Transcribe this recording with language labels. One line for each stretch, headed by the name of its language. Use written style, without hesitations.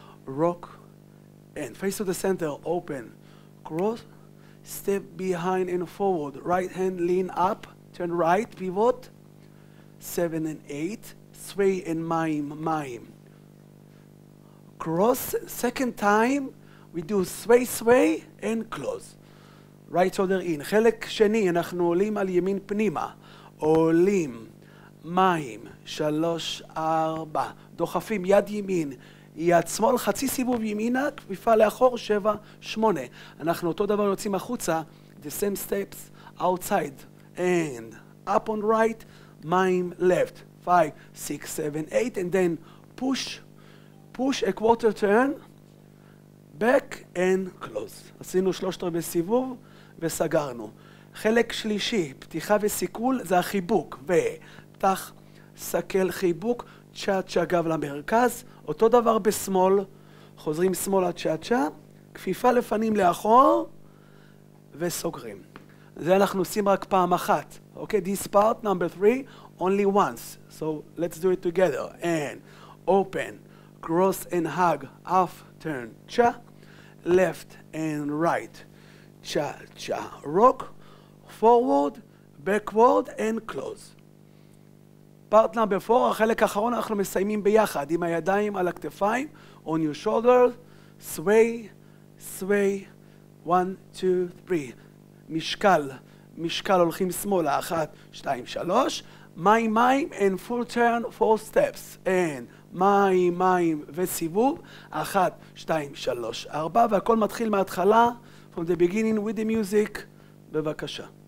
English: Rock and face to the center, open, cross, step behind and forward. Right hand, lean up, turn right, pivot. 7 and 8. Sway and mime. Cross, second time, we do sway, sway, and close. Right shoulder in.
Hebrew: חלק שני, אנחנו עולים על ימין פנימה. עולים, מים, 3, 4. דוחפים יד ימין, יד שמאל, חצי סיבוב ימינה, כפיפה לאחור, 7, 8. אנחנו אותו דבר יוצאים החוצה,
English: the same steps outside. And up on right, mime left. 5, 6, 7, 8, and then push a quarter turn, back and close.
Hebrew: עשינו 3/4 סיבוב וסגרנו. חלק שלישי, פתיחה וסיכול, זה החיבוק. ופתח, סכל, חיבוק, צ'ה צ'ה גב למרכז. אותו דבר בשמאל, חוזרים שמאלה צ'ה צ'ה, כפיפה לפנים לאחור וסוגרים. זה אנחנו עושים רק פעם אחת.
English: Okay, this part, number 3, only once. So let's do it together. And open, cross and hug, half turn, cha, left and right, cha, cha, rock, forward, backward and close. Part number 4,
Hebrew: החלק האחרון אנחנו מסיימים ביחד, עם הידיים על הכתפיים,
English: on your shoulders, sway, sway,
Hebrew: 1, 2, 3, משקל, משקל, הולכים שמאלה, 1, 2, 3, מים מים
English: and full turn, 4 steps, and
Hebrew: מים מים וסיבוב, 1, 2, 3, 4, והכל מתחיל מההתחלה,
English: from the beginning with the music,
Hebrew: בבקשה.